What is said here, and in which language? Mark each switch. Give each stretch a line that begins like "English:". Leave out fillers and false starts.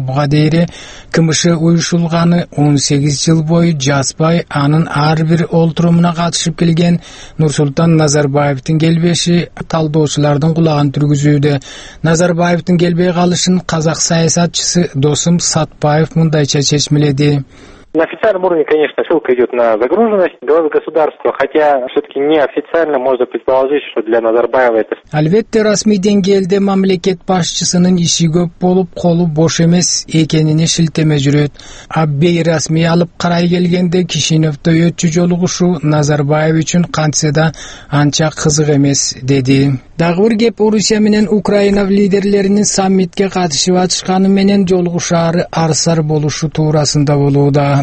Kyrgyz: Буга дейин КМШ уюшулганы 18 жыл бою жазбай анын ар бир олтурумуна катышып келген Нурсултан Назарбаевдин келбеши талдоочулардын кулагын түргүзүүдө. Назарбаевдин келбей калышын казак саясатчысы Досым Сатпаев мындайча чечмеледи.
Russian: На официальном уровне, конечно, ссылка идет на загруженность главы государства, хотя все-таки неофициально можно предположить, что для Назарбаева это...
Kyrgyz: Албетте, расмий деңгээлде мамлекет башчысынын иши көп болуп, колу бош эмес экенине шилтеме жүрөт. Абей расмий алып карай келгенде Кишиневдө өтчү жолугушуу Назарбаев үчүн кантсе да анча кызык эмес, деди. Дагы бир кеп Орусия менен Украина лидерлеринин саммитке катышып атышканы менен жолугушаары арсар болушу туурасында болууда.